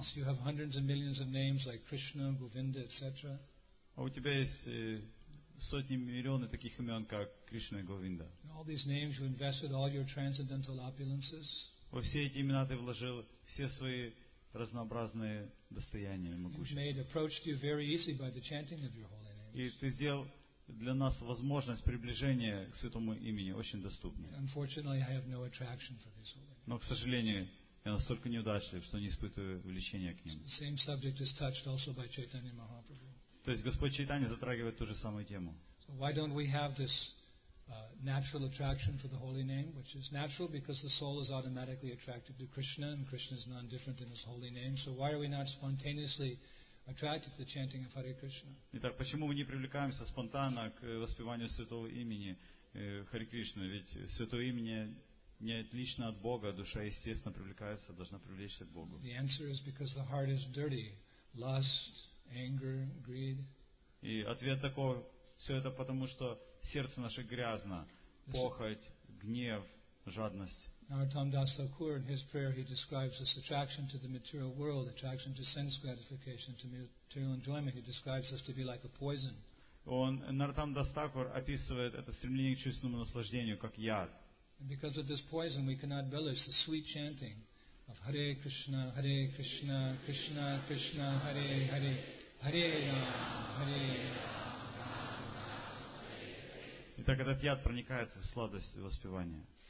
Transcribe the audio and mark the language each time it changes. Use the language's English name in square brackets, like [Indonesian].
[English] Yes, you have hundreds of millions of names like Krishna, Govinda, etc. [Russian] А у тебя есть сотни миллионы таких имен, как Кришна и Говинда. [English] All these names you invested all your transcendental opulences. [Russian] Во все эти имена ты вложил все свои разнообразные достояния и могущества. [English] You've made approach to you very easy by the chanting of your holy names. [Russian] И ты сделал для нас возможность приближения к святому имени очень доступной. [English] Unfortunately, I have no attraction for these holy names. [Russian] Но, к сожалению, я настолько неудачлив, что не испытываю влечения к ним. [English] The same subject is touched also by Chaitanya Mahaprabhu. [Russian] То есть Господь Чайтанья затрагивает ту же самую тему. [English] So why don't we have this natural attraction for the holy name, which is natural because the soul is automatically attracted to Krishna and Krishna is non-different in his holy name. So why are we not spontaneously attracted to the chanting of Hare Krishna. [Russian] Итак, почему мы не привлекаемся спонтанно к воспеванию святого имени Хари Кришны? Ведь святое имя не отлично от Бога, душа естественно привлекается, должна привлечься к Богу. [English] The answer is because the heart is dirty, lust, anger, greed. [Russian] И ответ такой: все это потому, что сердце наше грязно, похоть, гнев, жадность. [English] Our Tom Das Thakur, in his prayer, he describes this attraction to the material world, attraction to sense gratification, to material enjoyment. He describes us to be like a poison. [Russian] Он Нартам Дастакур описывает это стремление к чувственному наслаждению как яд. [English] And because of this poison, we cannot relish the sweet chanting of Hare Krishna, Hare Krishna, Krishna Krishna, Hare Hare, Hare Rama, Hare Rama. [Russian] Итак, этот яд проникает в сладость воспевания.